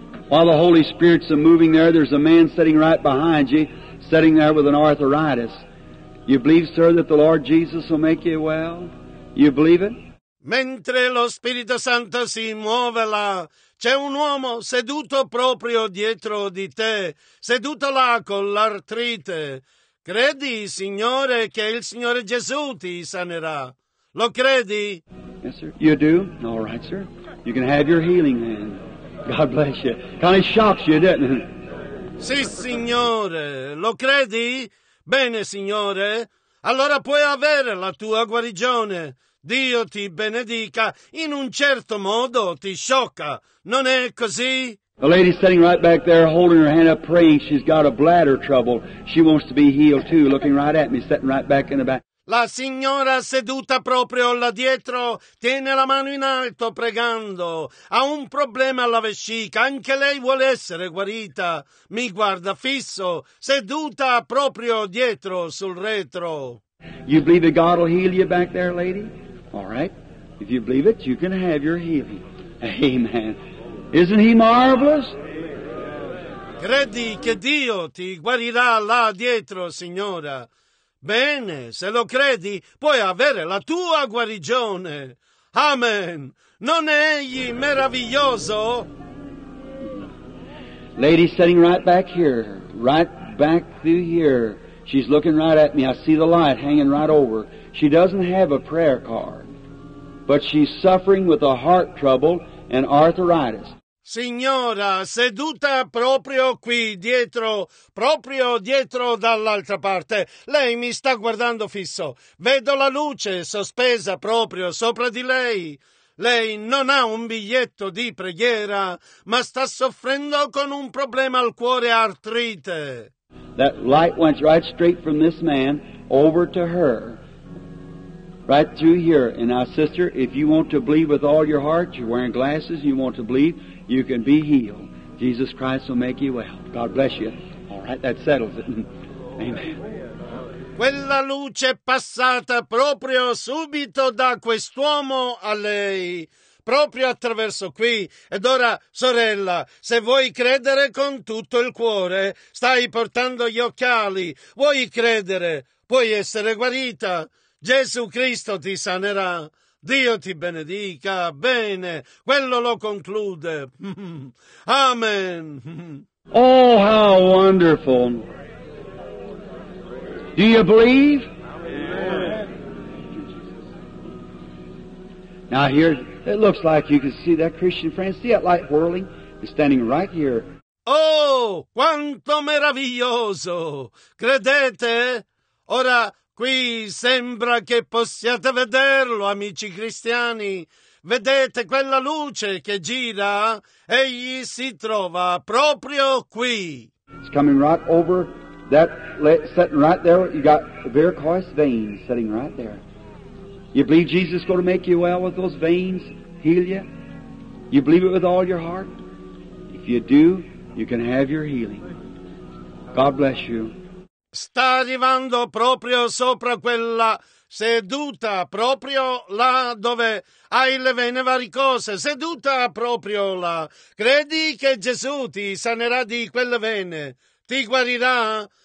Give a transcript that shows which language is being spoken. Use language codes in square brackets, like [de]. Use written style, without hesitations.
[en] While the Holy Spirit's moving there, there's a man sitting right behind you, sitting there with an arthritis. You believe, sir, that the Lord Jesus will make you well? You believe it? [it] Mentre lo Spirito Santo si muove là, c'è un uomo seduto proprio dietro di te, seduto là con l'artrite. Credi, Signore, che il Signore Gesù ti sanerà? Lo credi? [en] Yes, sir. You do? All right, sir. You can have your healing then. God bless you. Kind of shocks you, doesn't it? [it] Sì, signore. Lo credi? Bene, signore. Allora puoi avere la tua guarigione. Dio ti benedica. In un certo modo ti sciocca. Non è così? [en] The lady sitting right back there holding her hand up praying. She's got a bladder trouble. She wants to be healed too. Looking right at me, sitting right back in the back. [it] La signora seduta proprio là dietro tiene la mano in alto pregando. Ha un problema alla vescica, anche lei vuole essere guarita. Mi guarda fisso, seduta proprio dietro sul retro. [en] You believe that God will heal you back there, lady? All right. If you believe it, you can have your healing. Amen. Isn't he marvelous? [it] Credi che Dio ti guarirà là dietro, signora? Bene, se lo credi, puoi avere la tua guarigione. Amen. Non è egli meraviglioso? [en] Lady sitting right back here, right back through here. She's looking right at me. I see the light hanging right over. She doesn't have a prayer card, but she's suffering with a heart trouble and arthritis. [it] Signora, seduta proprio qui dietro, proprio dietro dall'altra parte. Lei mi sta guardando fisso. Vedo la luce sospesa proprio sopra di lei. Lei non ha un biglietto di preghiera, ma sta soffrendo con un problema al cuore, artrite. [en] That light went right straight from this man over to her. Right through here. And now, sister, if you want to believe with all your heart, you're wearing glasses, you want to believe, you can be healed. Jesus Christ will make you well. God bless you. All right, that settles it. Amen. [it] Quella luce passata proprio subito da quest'uomo a lei, proprio attraverso qui. Ed ora, sorella, se vuoi credere con tutto il cuore, stai portando gli occhiali, vuoi credere, puoi essere guarita. Gesù Cristo ti sanerà. Dio ti benedica. Bene, quello lo conclude. Amen. [en] Oh, how wonderful. Do you believe? Amen. Now here, it looks like you can see that Christian friend. See that light whirling? He's standing right here. [it] Oh, quanto meraviglioso. Credete? Ora... Qui sembra che possiate vederlo, amici cristiani. Vedete quella luce che gira? Egli si trova proprio qui. [en] It's coming right over that, sitting right there. You got varicose veins sitting right there. You believe Jesus is going to make you well with those veins, heal you? You believe it with all your heart? you do, you can have your healing. God bless you. [it] Sta arrivando proprio sopra quella seduta, proprio là dove hai le vene varicose, seduta proprio là. Credi che Gesù ti sanerà di quelle vene, ti guarirà?